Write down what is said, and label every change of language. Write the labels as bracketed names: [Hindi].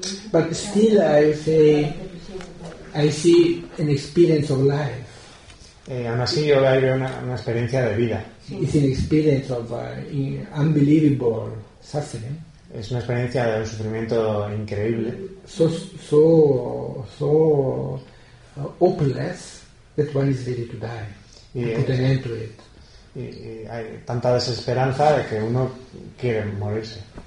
[English] But still, I see an experience of life. [Spanish] Aún así yo veo una experiencia de vida. [English] It's an experience of unbelievable suffering. [Spanish] Es una experiencia de un sufrimiento increíble. [English] So hopeless that one is ready to die. Put an end to it. [Spanish] Y hay tanta desesperanza de que uno quiere morirse.